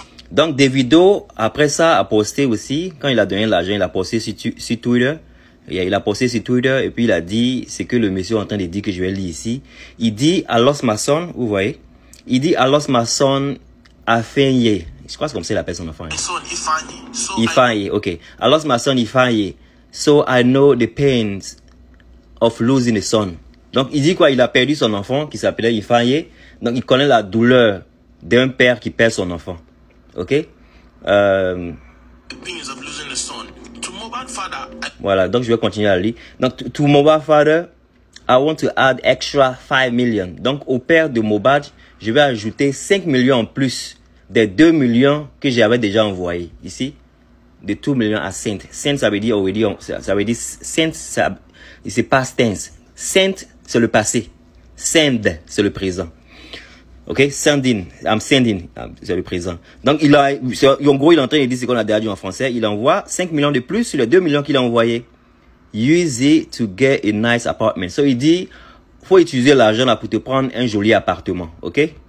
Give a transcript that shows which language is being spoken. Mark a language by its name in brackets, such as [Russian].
[French] Donc, Davido, après ça, a posté aussi, quand il a donné l'argent, il a posté sur Twitter. Il a posté sur Twitter et puis il a dit ce que le monsieur est en train de dire que je vais lire ici. Il dit, [English] I lost my son, [French] vous voyez? Il dit, [English] I lost my son, [French] a fait yé. Je crois que c'est comme ça la personne en fait. [English] Ifanye, ok. I lost my son Ifanye. So I know the pains of losing a son. [French] Donc il dit quoi? Il a perdu son enfant qui s'appelait Ifanye. Donc il connaît la douleur d'un père qui perd son enfant. Ok? [English] The pains of losing a son. To Mobad father, [French] voilà, donc je vais continuer à lire. [English] Donc, to Mobad father, I want to add extra 5 million. [French] Donc au père de Mobad, je vais ajouter 5 millions en plus. Des 2 millions que j'avais déjà envoyé ici, de 2 millions à Saint. Saint, ça veut dire already, ça veut dire Saint, ça, c'est past tense. Saint, c'est le passé. Send, c'est le présent. Ok? [English] Sending. I'm sending. [French] C'est le présent. Donc, en gros, il est en train de dire ce qu'on a déjà dit en français. Il envoie 5 millions de plus sur les 2 millions qu'il a envoyé. [English] Use it to get a nice apartment. [French] So, il dit, faut utiliser l'argent là pour te prendre un joli appartement. Ok?